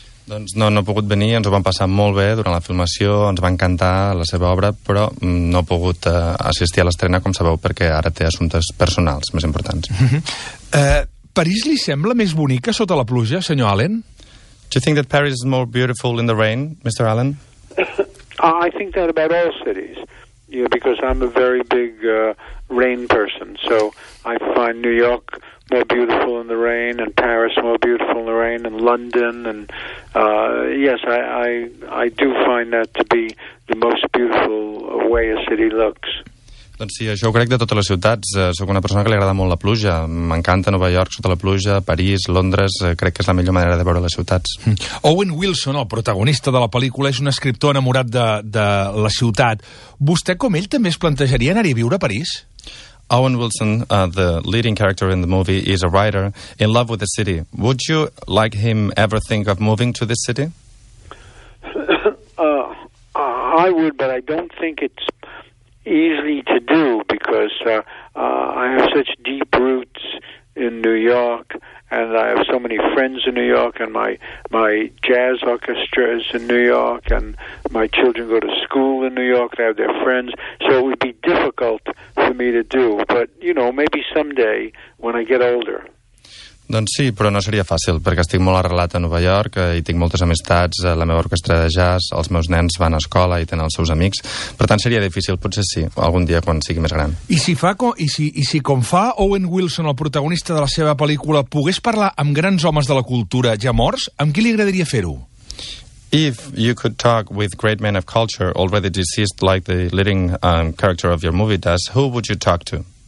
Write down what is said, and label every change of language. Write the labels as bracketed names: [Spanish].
[Catalan] Doncs no ha pogut venir, ens ho vam passar molt bé durant la filmació, ens va encantar la seva obra, però no ha pogut assistir a l'estrena, com sabeu, perquè ara té assumptes personals més importants. París li sembla més bonica sota la pluja, senyor Allen? [English] Do you think that Paris is more beautiful in the rain, Mr. Allen? I think that about all cities, because I'm a very big rain person, so I find New York more beautiful in the rain, and Paris more beautiful in the rain, and London, and yes, I do find that to be the most beautiful way a city looks. [Catalan] Doncs sí, això ho crec de totes les ciutats. Soc una persona que li agrada molt la pluja. M'encanta Nova York sota la pluja, París, Londres. Crec que és la millor manera de veure les ciutats. Owen Wilson, el protagonista de la pel·lícula, és un escriptor enamorat de la ciutat. Vostè, com ell, també es plantejaria anar a viure a París? [English] Owen Wilson, the leading character in the movie, is a writer in love with the city. Would you like him ever think of moving to this city? I would, but I don't think it's easy to do because I have such deep roots in New York, and I have so many friends in New York, and my jazz orchestra is in New York, and my children go to school in New York, they have their friends, so it would be difficult for me to do, but maybe someday when I get older. [Catalan] Doncs sí, però no seria fàcil, perquè estic molt arrelat a Nova York i tinc moltes amistats, la meva orquestra de jazz, els meus nens van a escola i tenen els seus amics. Per tant, seria difícil, potser sí, algun dia quan sigui més gran. I si com fa Owen Wilson, el protagonista de la seva pel·lícula, pogués parlar amb grans homes de la cultura ja morts, amb qui li agradaria fer-ho? [English] If you could talk with great men of culture already deceased like the leading character of your movie does, who would you talk to?